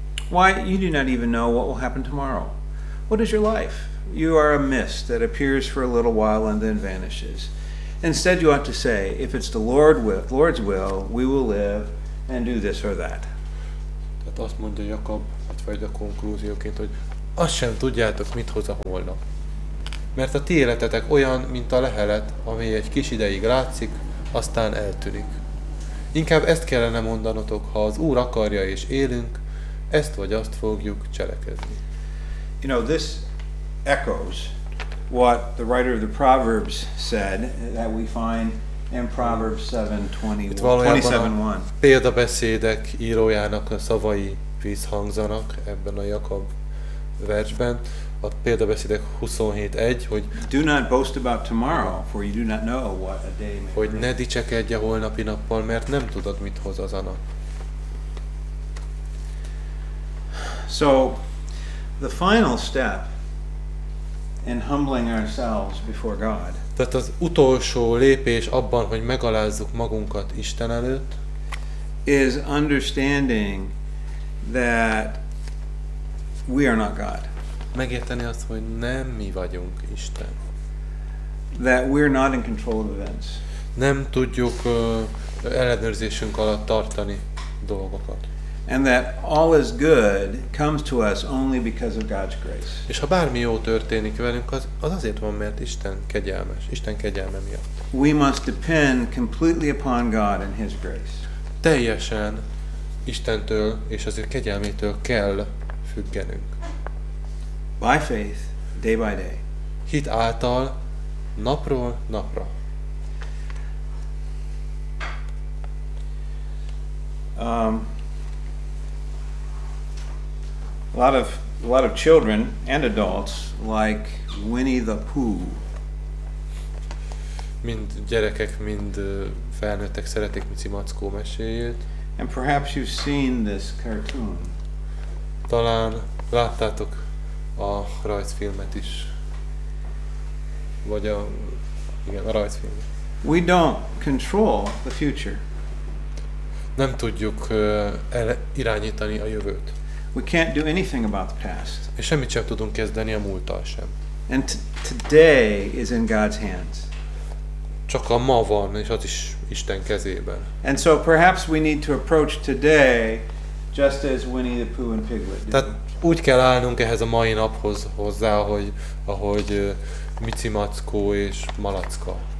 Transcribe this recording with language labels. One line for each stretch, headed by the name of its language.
English: Why you do not even know what will happen tomorrow? What is your life? You are a mist that appears for a little while and then vanishes. Instead, you ought to say, if it's the Lord's will, we will live and do this or that.
Hungarian: Tehát azt mondja Jakab, vagy a konklúzióként, hogy azt sem tudjátok, mit hoz a holnap. Mert a ti életetek olyan, mint a lehelet, amely egy kis ideig látszik, aztán eltűnik. Inkább ezt kellene mondanotok, ha az Úr akarja és élünk, ezt vagy azt fogjuk cselekedni.
English: You know, this echoes what the writer of the Proverbs said that we find in Proverbs 7:21.
Hungarian: Példabeszédek írójának a szavai visszhangzanak ebben a Jakab versben. A Példabeszédek 27:1, hogy
English: do not boast about tomorrow, for you do not know what a day may bring.
Hungarian: Hogy ne dicsekedj a holnapi nappal, mert nem tudod, mit hoz az a nap.
English: So the final step in humbling ourselves before God.
Hungarian: Tehát az utolsó lépés abban, hogy megalázzuk magunkat Isten előtt,
English: is understanding that we are not God.
Hungarian: Megérteni azt, hogy nem mi vagyunk Isten.
English: that we're not in control of events.
Hungarian: Nem tudjuk ellenőrzésünk alatt tartani dolgokat.
English: And that all is good comes to us only because of God's grace.
Hungarian: És ha bármi jó történik velünk, az azért van, mert Isten kegyelmes, Isten kegyelme miatt.
English: We must depend completely upon God and His grace.
Hungarian: Teljesen Istentől és az ő kegyelmétől kell függenünk.
English: By faith, day by day.
Hungarian: Hit által, napról napra.
English: A lot of children and adults like Winnie the Pooh.
Hungarian: Mind gyerekek, mind felnőttek szeretik Mici Mackó meséjét.
English: And perhaps you've seen this cartoon.
Hungarian: Talán láttátok a rajzfilmet is. Vagy a rajzfilmet.
English: We don't control the future.
Hungarian: Nem tudjuk irányítani a jövőt.
English: We can't do anything about the past.
Hungarian: És semmit sem tudunk kezdeni a múlttal sem.
English: And today is in God's hands.
Hungarian: Csak a ma van, és az is Isten kezében.
English: And so perhaps we need to approach today just as Winnie the Pooh and Piglet did.
Hungarian: Tehát úgy kell állnunk ehhez a mai naphoz hozzá, ahogy Mici Mackó és Malacka.